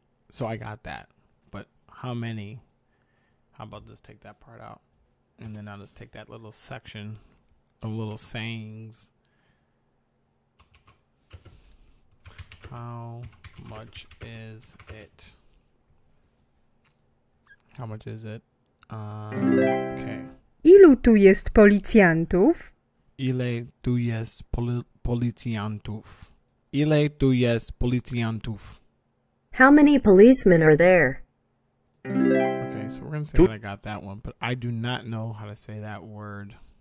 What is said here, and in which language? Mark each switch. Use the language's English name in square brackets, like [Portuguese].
[English] So I got that. But how many? How about just take that part out? And then I'll just take that little section of little sayings. How much is it? How much is it? Okay. [Polish] Ilu tu jest policjantów? Ile tu jest policjantów? Ile tu jest policjantów? [English] How many policemen are there? Okay, so we're going to say that I got that one, but I do not know how to say that word.